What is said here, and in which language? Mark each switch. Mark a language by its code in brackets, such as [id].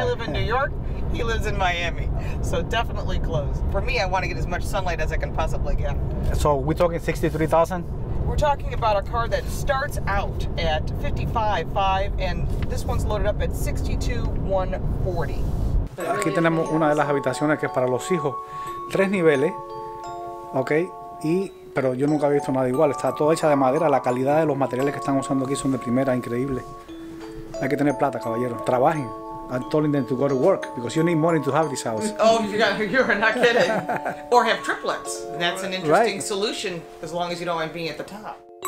[en] I live in New York, he lives in Miami. So definitely closed. For me, I want to get as much sunlight as I can possibly get. So we're talking 63,000? We're talking about a car that starts out at 55.5 and this one's loaded up at 62,140. [es] Aquí tenemos una de las habitaciones que es para los hijos. 3 niveles, ¿ok? Y pero yo nunca había visto nada igual. Está toda hecha de madera. La calidad de los materiales que están usando aquí son de primera, increíble. Hay que tener plata, caballero. Trabajen. [en] I'm telling them to go to work because you need money to have this house. Oh, yeah, you're not kidding. Or have triplets. That's an interesting right. solution as long as you don't mind being at the top.